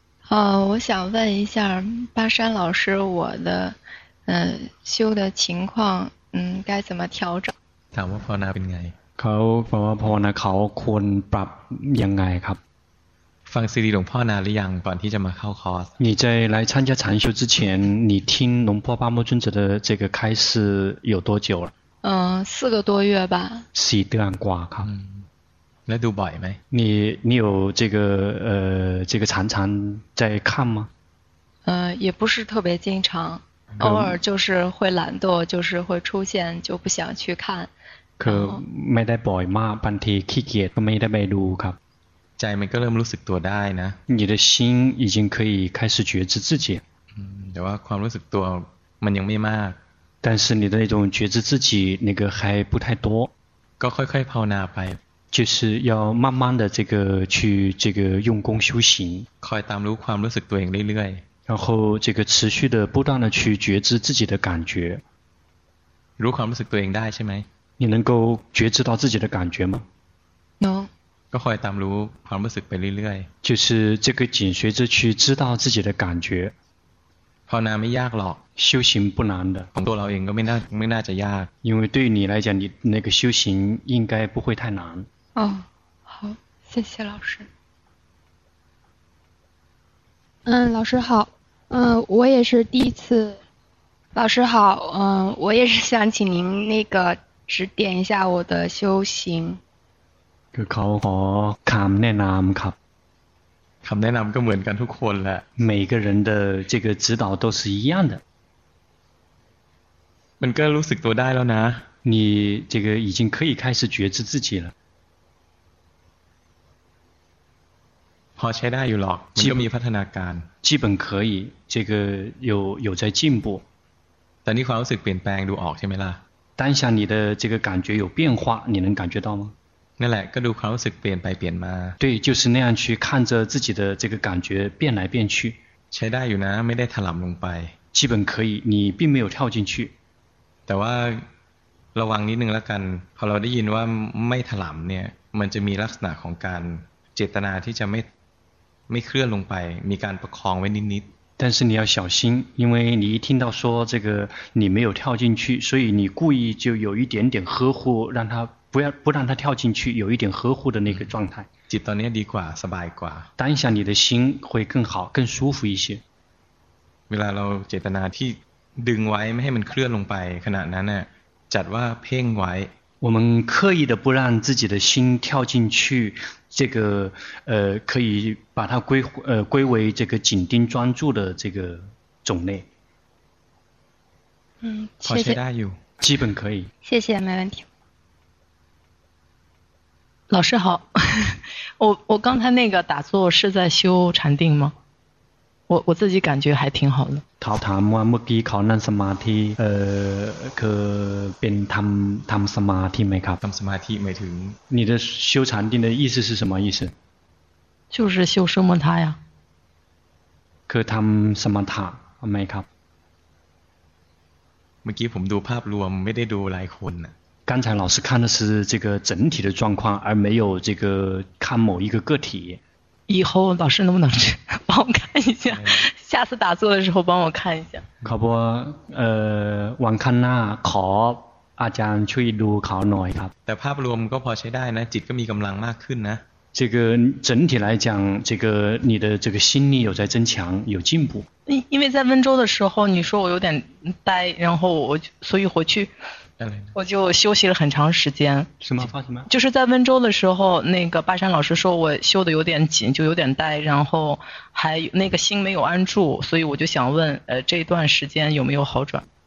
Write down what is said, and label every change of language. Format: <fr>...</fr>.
<zh>我想问一下巴山老师我的修的情况该怎么调整</zh> <th>ถามว่าภาวนาเป็นไง เขาบอกว่าภาวนาเขาควรปรับยังไงครับ ฟังซีดีหลวงพ่อนานหรือยังก่อนที่จะมาเข้าคอร์ส</th> <zh>你在来参加禅修之前你听龙婆巴木尊者的这个开示有多久了四个多月吧</zh> <th>4เดือนกว่าครับ แล้วดูบ่อยไหม</th> <zh>你有这个这个常常在看吗也不是特别经常偶尔就是会懒惰就是会出现就不想去看</zh> <th>คือไม่ได้บ่อยมากบางทีขี้เกียจก็ไม่ได้ไปดูครับ ใจมันก็เริ่มรู้สึกตัวได้นะ</th> <zh>你的心已经可以开始觉知自己</zh> <th>แต่ว่าความรู้สึกตัวมันยังไม่มาก</th> <zh>但是你的那种觉知自己那个还不太多</zh> <th>ก็ค่อยๆภาวนาไป</th> <zh>就是要慢慢的这个去这个用功修行</zh> <th>คอยตามรู้ความรู้สึกตัวเองเรื่อยๆ</th> <zh>然后这个持续的不断的去觉知自己的感觉</zh> <th>รู้ความรู้สึกตัวเองได้ใช่ไหม</th> <zh>你能够觉知到自己的感觉吗能</zh> <th>ก็คอยตามรู้ความรู้สึกไปเรื่อย</th> <zh>就是这个紧随着去知道自己的感觉</zh> <th>ภาวนาไม่ยากหรอก</th> <zh>修行不难的</zh> <th>ของตัวเราเองก็ไม่น่าจะยาก</th> <zh>因为对于你来讲你那个修行应该不会太难哦好谢谢老师老师好我也是第一次老师好我也是想请您那个指点一下我的修行</zh> <th>คือเขาขอคำแนะนำครับ คำแนะนำก็เหมือนกันทุกคนแหละ</th> <zh>每个人的这个指导都是一样的</zh> <th>มันก็รู้สึกตัวได้แล้วนะ</th> <zh>你这个已经可以开始觉知自己了</zh> <th>พอใช้ได้อยู่หรอกมันก็มีพัฒนาการ</th> <zh>基本可以这个有在进步</zh> <th>แต่นี่ความรู้สึกเปลี่ยนแปลงดูออกใช่ไหมล่ะ</th> <zh>当下你的这个感觉有变化你能感觉到吗</zh> <th>นั่นแหละก็ดูความรู้สึกเปลี่ยนไปเปลี่ยนมา</th> <zh>对就是那样去看着自己的这个感觉变来变去</zh> <th>ใช้ได้อยู่นะไม่ได้ถลำลงไป</th> <zh>基本可以你并没有跳进去</zh> <th>แต่ว่าระวังนิดนึงแล้วกันพอเราได้ยินว่าไม่ถลำเนี่ยมันจะมีลักษณะของการเจตนาที่จะไม่เคลื่อนลงไปมีการประคองไว้นิด</th> <zh>ๆ但是你要小心因为你一听到说这个你没有跳进去所以你故意就有一点点呵护让他不让他跳进去有一点呵护的那个状态</zh> <th>จิตตอนนี้ดีกว่าสบายกว่า</th> <zh>当下你的心会更好更舒服一些</zh> <th>เวลาเราเจตนาที่ดึงไว้ไม่ให้มันเคลื่อนลงไปขณะนั้นน่ะจัดว่าเพ่งไว้</th> <zh>我们刻意的不让自己的心跳进去这个可以把它归为这个紧盯专注的这个种类谢谢基本可以谢谢没问题老师好我刚才那个打坐是在修禅定吗我自己感觉还挺好的</zh> <th>ถามว่าเมื่อกี้เขานั่งสมาธิคือเป็นทำสมาธิไหมครับ ทำสมาธิหมายถึง</th> <zh>你的修禅定的意思是什么意思就是修奢摩他呀</zh> <th>คือทำสมาธิไหมครับ เมื่อกี้ผมดูภาพรวมไม่ได้ดูหลายคนนะ</th> <zh>刚才老师看的是这个整体的状况而没有这个看某一个个体以后老师能不能帮我看一下下次打坐的时候帮我看一下</zh> <th>ขอบวันข้างหน้าขออาจารย์ช่วยดูเขาหน่อยครับ แต่ภาพรวมก็พอใช้ได้นะจิตก็มีกำลังมากขึ้นนะ</th> <zh>这个整体来讲这个你的这个心力有在增强有进步因为在温州的时候你说我有点呆然后我所以回去我就休息了很长时间什么发什么就是在温州的时候那个巴山老师说我修的有点紧就有点呆然后还那个心没有安住所以我就想问这段时间有没有好转</zh>